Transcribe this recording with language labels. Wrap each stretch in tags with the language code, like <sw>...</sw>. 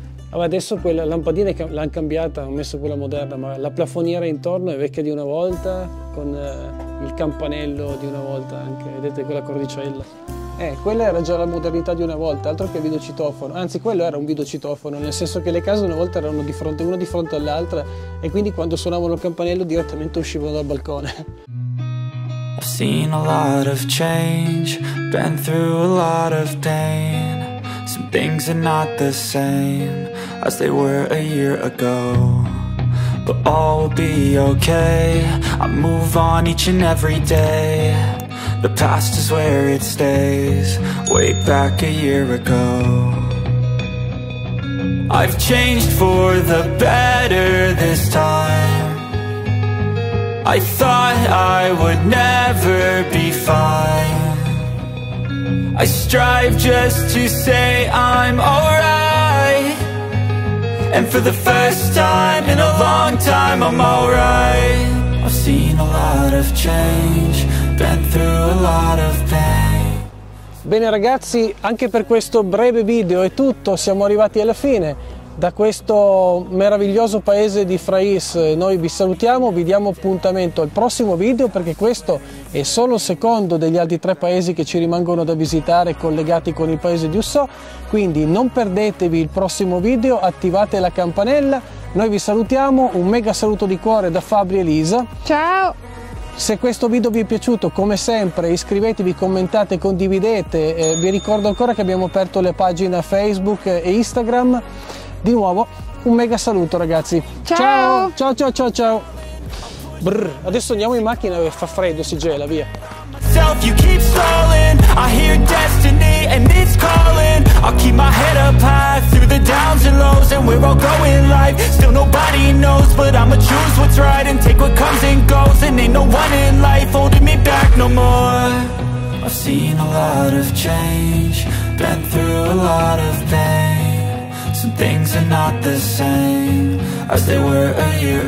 <it>Adesso quella lampadina l'hanno cambiata, hanno messo quella moderna, ma la plafoniera intorno è vecchia di una volta, con il campanello di una volta anche, vedete quella cordicella. Quella era già la modernità di una volta, altro che videocitofono. Anzi, quello era un videocitofono, nel senso che le case una volta erano di fronte, una di fronte all'altra, e quindi quando suonavano il campanello direttamente uscivano dal balcone.</it> <en>I've seen a lot of change, been through a lot of pain. Some things are not the same as they were a year ago, but all will be okay. I move on each and every day. The past is where it stays, way back a year ago. I've changed for the better this time. I thought I would never be fine. I strive just to say I'm alright. And for the first time in a long time I'm alright. I've seen a lot of change, been through a lot of pain.</en> <it>Bene ragazzi, anche per questo breve video è tutto, siamo arrivati alla fine. Da questo meraviglioso paese di Fraiss noi vi salutiamo, vi diamo appuntamento al prossimo video, perché questo è solo il secondo degli altri tre paesi che ci rimangono da visitare collegati con il paese di Ussò. Quindi non perdetevi il prossimo video, attivate la campanella, noi vi salutiamo, un mega saluto di cuore da Fabri e Lisa. Ciao! Se questo video vi è piaciuto, come sempre, iscrivetevi, commentate, condividete. Vi ricordo ancora che abbiamo aperto le pagine Facebook e Instagram. Di nuovo un mega saluto ragazzi. Ciao ciao ciao ciao ciao. Brr, adesso andiamo in macchina, fa freddo, si gela, via.</it> <en>You keep stalling, I hear destiny and it's calling. I'll keep my head up high through the downs and lows, and we're all going live. Still nobody knows, but I'ma choose what's right and take what comes and goes. And ain't no one in life holding me back no more. I've seen a lot of change, been through a lot of pain. Some things are not the same as they were a year ago.</en>